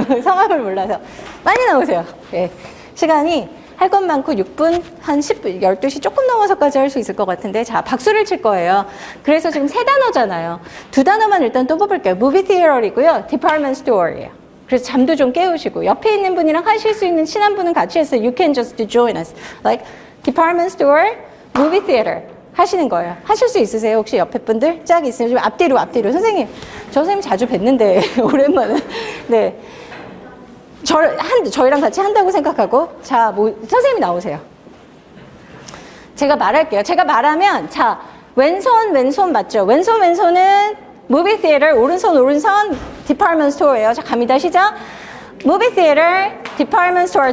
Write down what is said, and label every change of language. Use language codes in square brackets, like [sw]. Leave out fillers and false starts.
[ko] 성함을 몰라서 빨리 나오세요. 예. 시간이 할 것 많고 6분 한 10분 12시 조금 넘어서까지 할 수 있을 것 같은데 자 박수를 칠 거예요. 그래서 지금 세 단어잖아요. 두 단어만 일단 또 뽑을게요. 무비 티어리고요. 디파트먼트 스토어리예요. 그래서 잠도 좀 깨우시고 옆에 있는 분이랑 하실 수 있는 친한 분은 같이 해서 [en] You can just join us. Like department store, movie theater [ko] 하시는 거예요. 하실 수 있으세요? 혹시 옆에 분들? 짝 있으면 좀 앞뒤로 앞뒤로. 선생님, 저 선생님 자주 뵀는데 오랜만에. 네, 저희랑 같이 한다고 생각하고 자, 뭐, 선생님이 나오세요. 제가 말할게요. 제가 말하면 자, 왼손 맞죠? 왼손은 movie theater, 오른손 department store예요. 자, 갑니다. 시작. [en] movie theater, department store.